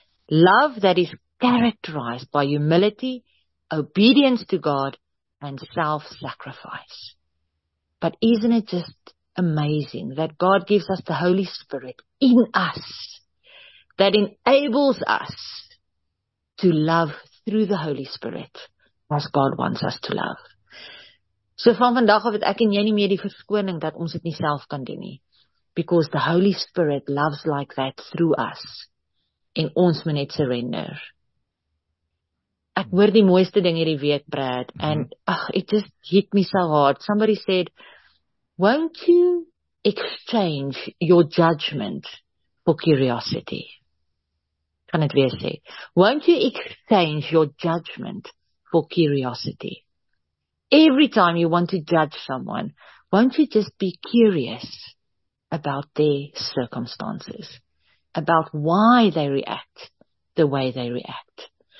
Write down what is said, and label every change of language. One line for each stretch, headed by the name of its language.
English: Love that is characterized by humility, obedience to God, and self-sacrifice. But isn't it just amazing that God gives us the Holy Spirit in us that enables us to love through the Holy Spirit as God wants us to love?
Afrikaans: So van vandag af het ek en jy nie meer die verskoning dat ons het nie self kan doen nie.
English: Because the Holy Spirit loves like that through us.
Afrikaans: En ons moet net surrender. Ek hoor die mooiste ding hierdie week, Brad.
English: And it just hit me so hard. Somebody said, won't you exchange your judgment for curiosity?
Afrikaans: Kan het weer sê.
English: Won't you exchange your judgment for curiosity? Every time you want to judge someone, won't you just be curious about their circumstances, about why they react the way they react?